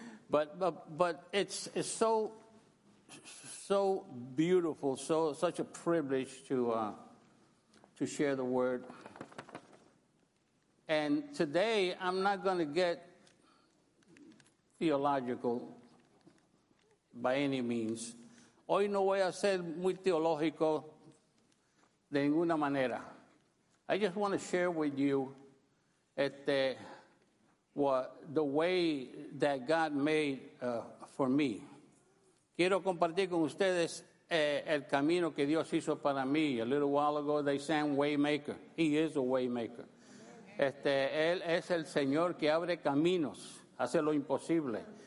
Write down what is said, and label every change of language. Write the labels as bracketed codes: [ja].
[en] But it's so beautiful, such a privilege to share the word. And today, I'm not going to get theological by any means. [es] Hoy no voy a ser muy teológico de ninguna manera. [en] I just want to share with you the way that God made for me. [es] Quiero compartir con ustedes el camino que Dios hizo para mí. [en] A little while ago, they sang Waymaker. He is a Waymaker. [es] Él es el Señor que abre caminos, hace lo imposible.